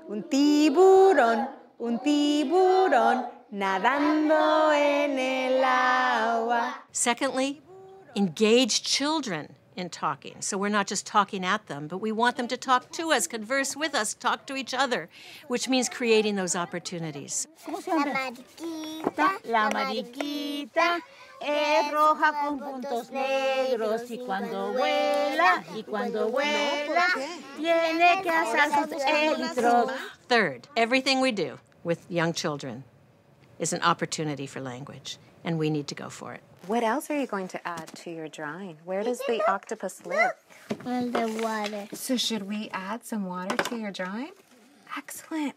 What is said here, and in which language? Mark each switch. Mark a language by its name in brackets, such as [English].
[Spanish] Un tiburón nadando en el agua. [English] Secondly, engage children in talking. So we're not just talking at them, but we want them to talk to us, converse with us, talk to each other, which means creating those opportunities. [Spanish] La mariquita es roja con puntos negros y cuando vuela, tiene que hacer sus elitros. [English] Third, everything we do with young children is an opportunity for language, and we need to go for it. What else are you going to add to your drawing? Where does the octopus live? In the water. So should we add some water to your drawing? Excellent.